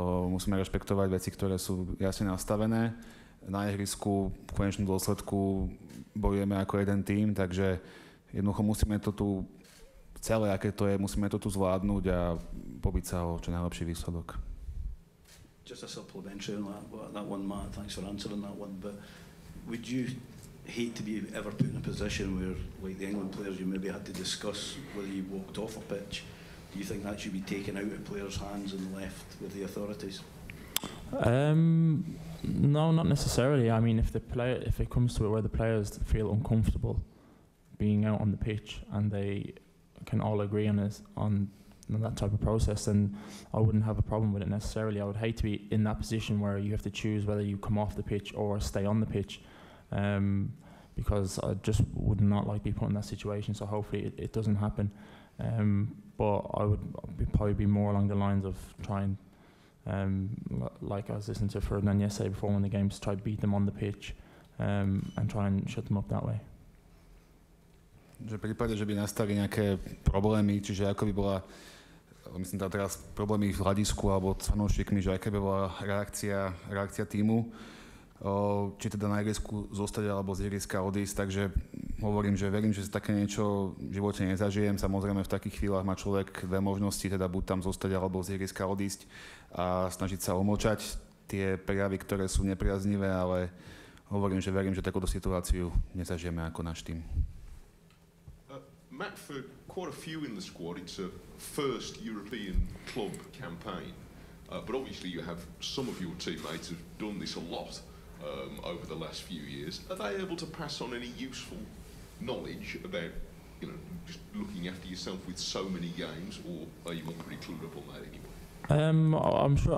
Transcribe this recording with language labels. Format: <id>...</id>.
<sk>Musíme rešpektovať veci, ktoré sú jasne nastavené. Na ihrisku v konečnom dôsledku bojujeme ako jeden tím, takže jednoducho musíme to tu celé, aké to je, musíme to tu zvládnuť a pobiť sa o čo najlepší výsledok.</sk> <en>Just a supplementary on that one, Matt, thanks for answering that one, but would you hate to be ever put in a position where, like the England players, you maybe had to discuss whether you walked off a pitch? Do you think that should be taken out of players' hands and left with the authorities? No, not necessarily. I mean, if it comes to it where the players feel uncomfortable being out on the pitch and they can all agree on that type of process, then I wouldn't have a problem with it necessarily. I would hate to be in that position where you have to choose whether you come off the pitch or stay on the pitch, because I just would not like to be put in that situation, so hopefully it doesn't happen. But I would probably be more along the lines of trying, like I was listening to Ferdinand yesterday before in the games, try to beat them on the pitch and try and shut them up that way.</en> <sk>Že v prípade, že by nastali nejaké problémy, čiže ako by bola, myslím tam teraz problémy v hľadisku alebo s fanúšikmi, že aká by bola reakcia tímu, či teda na ihrisku zostať alebo z ihriska odísť, takže hovorím, že verím, že sa také niečo v živote nezažijem. Samozrejme, v takých chvíľach má človek dve možnosti, teda buď tam zostať alebo z ihriska odísť a snažiť sa omlčať tie prejavy, ktoré sú nepriaznivé, ale hovorím, že verím, že takúto situáciu nezažijeme ako náš tím.</sk> <en>Matt, for quite a few in the squad, it's a first European club campaign. But obviously you have some of your teammates have done this a lot over the last few years. Are they able to pass on any useful knowledge about, you know, just looking after yourself with so many games, or are you not pretty clued up on that anyway?</en>